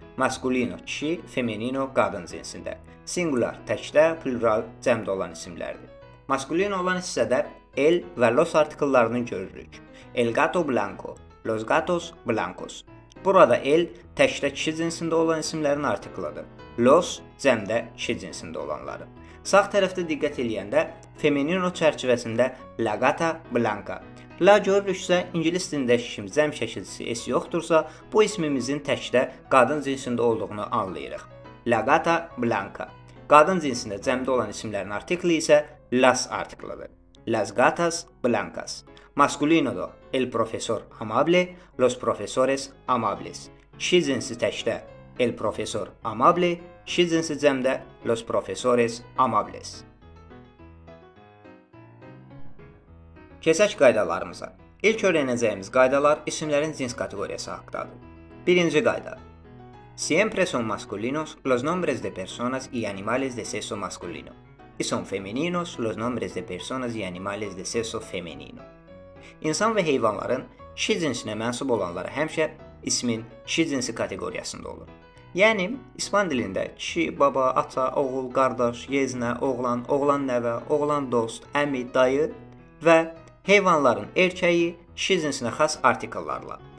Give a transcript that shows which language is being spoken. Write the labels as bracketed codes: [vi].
[az] Maskulino, kişi, feminino, kadın cinsinde. Singular, təkdə, plural, cəmdə olan isimlerdir. Maskulino olan hissədə el ve los artikellerini görürük. [es] El gato blanco, los gatos blancos. [az] Burada el, təkdə kişi cinsində olan isimlerin artikladır. Los, cəmdə kişi cinsində olanları. Sağ tərəfdə diqqət eləyəndə, feminino çərçivəsində [es] la gata blanca. [az] La görürüksə, ingilis dilində kimi cəm şəkilçisi es yoxdursa, bu ismimizin təkdə qadın cinsində olduğunu anlayırıq. [es] La gata blanca. [az] Qadın cinsində cəmdə olan isimlerin artikli isə las artikladır. [es] Las gatas blancas. Masculino da el profesor amable, los profesores amables. [az] Kişi cinsi təkdə [es] el profesor amable, [az] kişi cinsi cəmdə [es] los profesores amables. [az] Keçək qaydalarımıza. İlk öyrənəcəyimiz qaydalar isimlerin cins kateqoriyası haqqdadır. Birinci qayda. [es] Siempre son masculinos los nombres de personas y animales de sexo masculino. Y son femeninos los nombres de personas y animales de sexo femenino. [az] İnsan ve heyvanların kişi cinsinə mənsub olanları həmişə ismin kişi cinsi kateqoriyasında olur. Yəni, İspan dilində kişi, baba, ata, oğul, qardaş, yeznə, oğlan, oğlan nəvə, oğlan dost, əmi, dayı və heyvanların erkəyi kişi cinsinə xas artikellarla.